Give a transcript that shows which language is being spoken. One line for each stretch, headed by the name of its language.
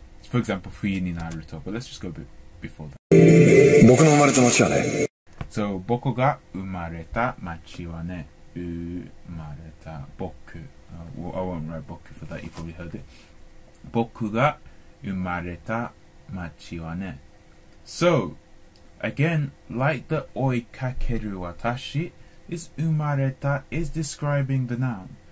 English: For example,
Japanese: 冬になると,
English: but let's just go a bit before that.
Japanese: 僕の生まれた街はね. So, 僕が生まれた街はね. Umareta boku.
English: I won't write boku for that, you probably heard it.
Japanese: Boku ga umareta machi wa ne.
English: So, again, like the
Japanese: oi kakeru watashi,
English: is umareta is describing the noun.